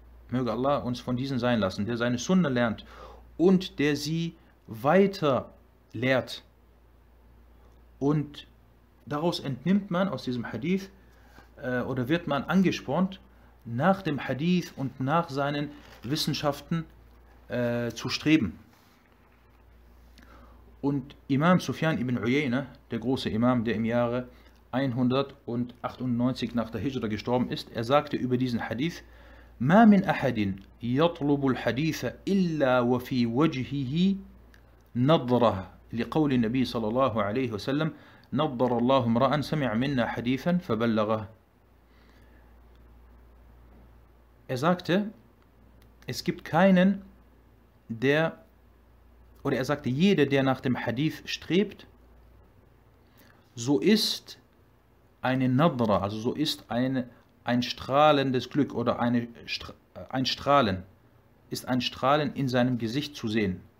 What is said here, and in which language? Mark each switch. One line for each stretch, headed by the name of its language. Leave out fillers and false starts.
German: Möge Allah uns von diesen sein lassen, der seine Sunna lernt und der sie weiter lehrt. Und daraus entnimmt man aus diesem Hadith oder wird man angespornt, nach dem Hadith und nach seinen Wissenschaften zu streben. Und Imam Sufyan ibn Uyayna, der große Imam, der im Jahre 198 nach der Hijra gestorben ist, er sagte über diesen Hadith,
Arabic: مَا مِنْ أَحَدٍ يَطْلُبُ الْحَدِيثَ إِلَّا وَفِي وَجْهِهِ نَضْرَهَ لِقَوْلِ النَّبِيِّ صَلَى اللَّهُ عَلَيْهُ وَسَلَّمْ نَضَّرَ اللَّهُ مْرَأً سَمِعْ مِنَّا حَدِيثًا فَبَلَّغَهَ.
German: Er sagte, es gibt keinen, der, oder er sagte, jeder, der nach dem Hadith strebt, so ist eine Nadra, also so ist ein strahlendes Glück oder ein Strahlen, ist ein Strahlen in seinem Gesicht zu sehen.